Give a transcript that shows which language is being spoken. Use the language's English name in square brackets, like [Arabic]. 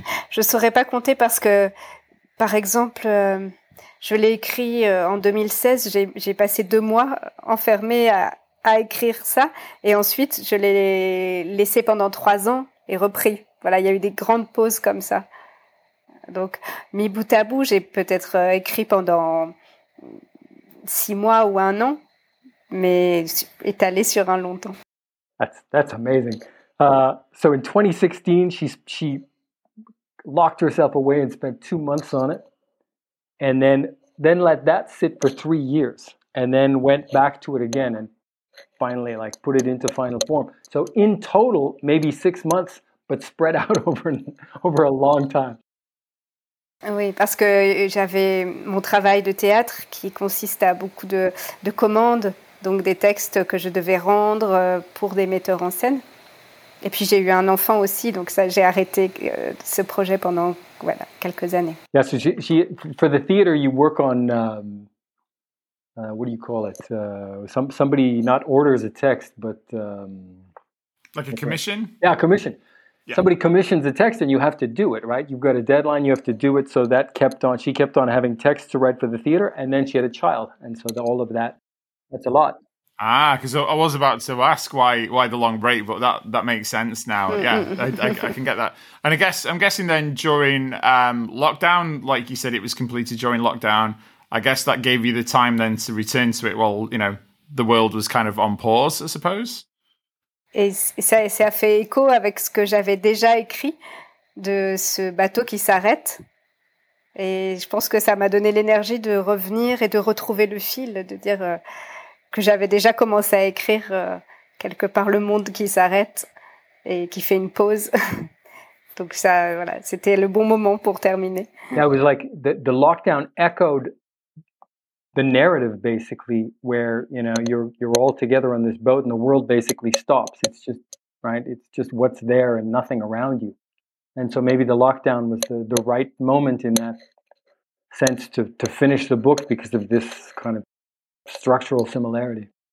[French] Je ne saurais pas compter parce que, par exemple, je l'ai écrit en 2016, j'ai passé 2 mois enfermée à écrire ça, et ensuite je l'ai laissé pendant 3 ans et repris. Voilà, il y a eu des grandes pauses comme ça. Donc, mis bout à bout, j'ai peut-être écrit pendant 6 mois ou 1 an, mais étalé sur un long temps. [English] That's amazing. So in 2016, she locked herself away and spent 2 months on it, and then let that sit for 3 years, and then went back to it again and finally, like, put it into final form. So in total, maybe 6 months, but spread out over a long time. Oui, parce que j'avais mon travail de théâtre qui consiste à beaucoup de commandes, donc des textes que je devais rendre pour des metteurs en scène. Et puis j'ai eu un enfant aussi, donc ça, j'ai arrêté ce projet pendant, voilà, quelques années. Yeah, so she for the theater, you work on what do you call it? Somebody not orders a text, but like a commission. Right? Yeah, commission. Yeah. Somebody commissions a text, and you have to do it, right? You've got a deadline; you have to do it. So that kept on. She kept on having texts to write for the theater, and then she had a child, and so all of that. That's a lot. Ah, because I was about to ask why the long break, but that makes sense now. Yeah, I can get that. And I'm guessing then during lockdown, like you said, it was completed during lockdown. I guess that gave you the time then to return to it while, you know, the world was kind of on pause, I suppose. [French] Et ça fait écho avec ce que j'avais déjà écrit de ce bateau qui s'arrête. Et je pense que ça m'a donné l'énergie de revenir et de retrouver le fil, de dire... que j'avais déjà commencé à écrire quelque part le monde qui s'arrête et qui fait une pause. Donc ça, voilà, c'était le bon moment pour terminer. [English] Yeah, it was like the lockdown echoed the narrative, basically, where, you know, you're all together on this boat and the world basically stops. It's just, right, it's just what's there and nothing around you. And so maybe the lockdown was the right moment in that sense to finish the book because of this kind of structural similarity.